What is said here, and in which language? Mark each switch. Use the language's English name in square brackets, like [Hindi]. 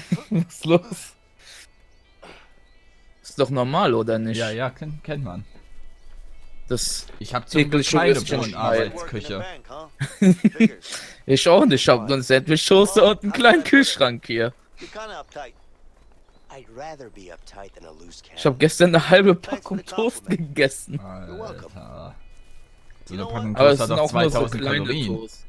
[German] Was ist los? Ist doch normal, oder nicht? Ja, kennt man. Das. Ich hab zum Glück keine Arbeitsküche. Ich auch nicht. Ich hab nur eine Sandwich-Soße und einen kleinen Kühlschrank hier. [English] I'd rather be uptight than a loose cannon. [German] Ich hab gestern eine halbe Packung Toast gegessen. Alter. So eine Packung Toast hat doch 2000 Kalorien.